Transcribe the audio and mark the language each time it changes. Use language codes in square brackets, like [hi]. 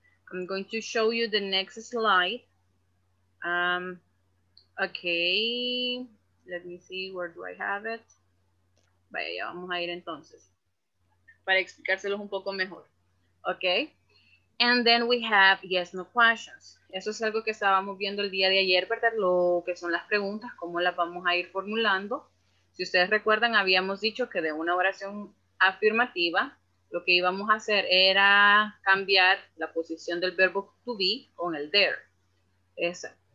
[en] I'm going to show you the next slide. Okay, let me see, where do I have it? [es] Vaya, ya vamos a ir entonces, para explicárselos un poco mejor. [en] Okay, and then we have yes, no questions. [es] Eso es algo que estábamos viendo el día de ayer, ¿verdad? Lo que son las preguntas, cómo las vamos a ir formulando. Si ustedes recuerdan, habíamos dicho que de una oración afirmativa, lo que íbamos a hacer era cambiar la posición del verbo to be con el there. Esa.